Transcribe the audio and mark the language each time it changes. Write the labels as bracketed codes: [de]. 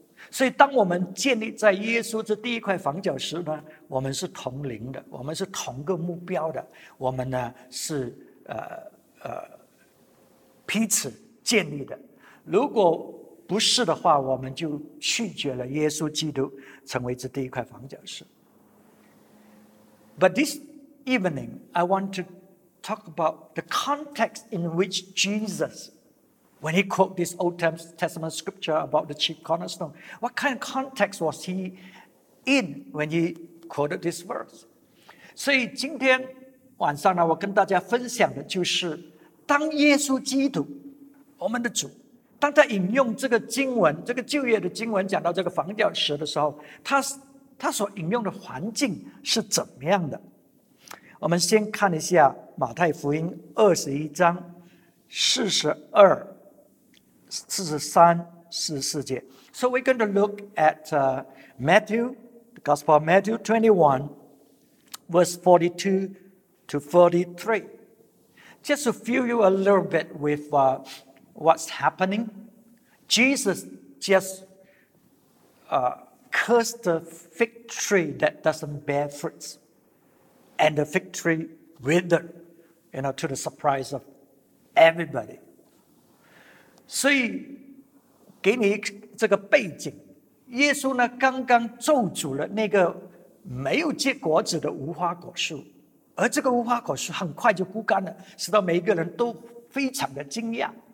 [zh] 所以当我们建立在耶稣这第一块房角石呢，我们是同龄的，我们是同个目标的，我们呢是彼此建立的。如果不是的话，我们就拒绝了耶稣基督成为这第一块房角石。 [en] But this evening, I want to talk about the context in which Jesus, when he quoted this Old Testament scripture about the chief cornerstone, what kind of context was he in when he quoted this verse? [zh] 所以今天晚上呢，我跟大家分享的就是当耶稣基督我们的主，当他引用这个经文，这个旧约的经文讲到这个房角石的时候， 他所引用的环境是怎么样的。我们先看一下马太福音21:42-43-44. [en] So we're going to look at Matthew, the Gospel of Matthew 21:42-43. Just to fill you a little bit with what's happening, Jesus just curse the fig tree that doesn't bear fruits. And the fig tree withered, you know, to the surprise of everybody. [zh] 所以给你这个背景，耶稣呢刚刚咒诅了那个没有结果子的无花果树，而这个无花果树很快就枯干了，使到每一个人都非常的惊讶。